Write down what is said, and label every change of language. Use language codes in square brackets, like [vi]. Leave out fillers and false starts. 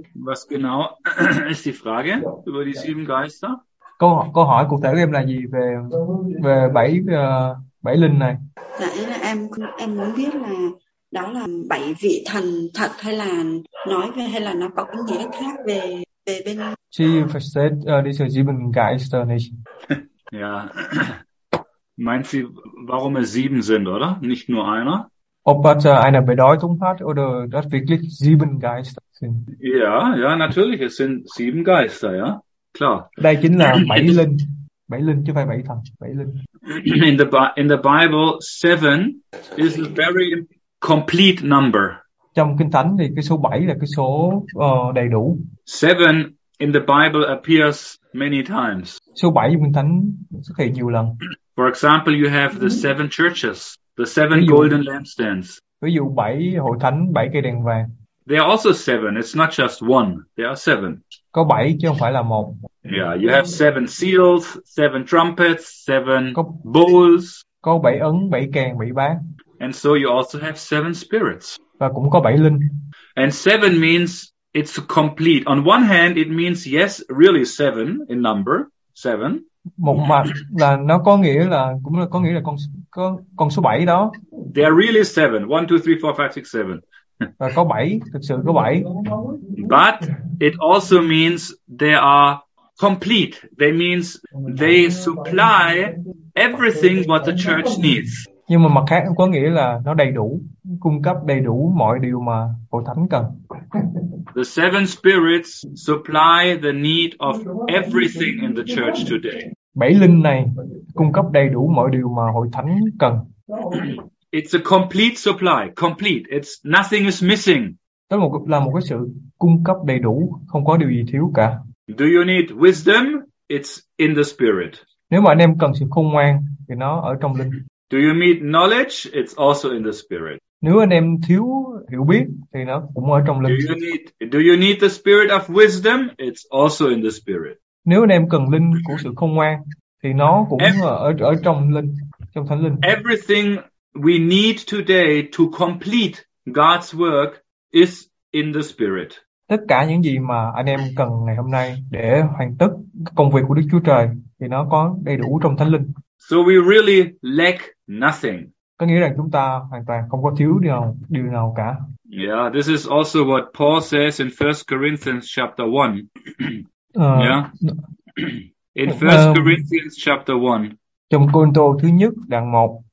[de] Was genau ist die Frage über die sieben Geister? [vi] Câu hỏi cụ thể của em là gì về bảy linh này? Dạ, em muốn biết là đó là bảy vị thần thật hay là nói về hay là nó có cái nghĩa khác về bên. [en] She said this is [de] sieben Geister nicht. Ja. Meint sie, warum es sieben sind, oder? Nicht nur einer? Ob das eine Bedeutung hat oder das wirklich sieben Geister sind? Ja, ja, natürlich, es sind sieben Geister, ja. Klar. [vi] Đây chính là bảy linh. Bảy linh chứ phải bảy thần, bảy linh. [en] In the Bible, seven is a very complete number. [vi] Trong Kinh Thánh thì cái số 7 là cái số đầy đủ. [en] Seven in the Bible appears many times. [vi] Số 7 trong Kinh Thánh xuất hiện nhiều lần. [en] For example, you have the seven churches, the seven golden lampstands. [vi] Ví dụ 7 hội thánh, 7 cây đèn vàng. [en] There are also seven. It's not just one. There are seven. [vi] Có 7 chứ không phải là 1. [en] Yeah, you have seven seals, seven trumpets, seven bowls. [vi] Có 7 ấn, 7 càng, 7 bát. [en] And so you also have seven spirits. [vi] Và cũng có 7 linh. [en] And seven means it's complete. On one hand, it means yes, really seven in number, seven. [vi] Một mặt là nó có nghĩa là cũng là có nghĩa là con số 7 đó. [en] There are really seven. 1, 2, 3, 4, 5, 6, 7. [vi] Và có 7, thực sự có 7. [en] But it also means they are complete. They means they supply everything what the church needs. [vi] Nhưng mà mặt khác có nghĩa là nó đầy đủ, cung cấp đầy đủ mọi điều mà hội thánh cần. [en] The seven spirits supply the need of everything in the church today. [vi] Bảy linh này cung cấp đầy đủ mọi điều mà hội thánh cần. [en] It's a complete supply, complete. It's nothing is missing. [vi] Đó là một cái sự cung cấp đầy đủ, không có điều gì thiếu cả. [en] Do you need wisdom? It's in the spirit. [vi] Nếu mà anh em cần sự khôn ngoan thì nó ở trong linh. [en] Do you need knowledge? It's also in the spirit. [vi] Nếu anh em thiếu hiểu biết thì nó cũng ở trong linh. [en] Do you need the spirit of wisdom? It's also in the spirit. [vi] Nếu anh em cần linh của sự khôn ngoan thì nó cũng ở trong linh, trong thánh linh. [en] Everything we need today to complete God's work is in the spirit. [vi] Tất cả những gì mà anh em cần ngày hôm nay để hoàn tất công việc của Đức Chúa Trời thì nó có đầy đủ trong thánh linh. [en] So we really lack nothing. [vi] Có nghĩa là chúng ta hoàn toàn không có thiếu điều nào cả. [en] Yeah, this is also what Paul says in 1 Corinthians chapter 1. In 1 Corinthians chapter 1. [vi] Trong Côrintô thứ nhất, đoạn 1.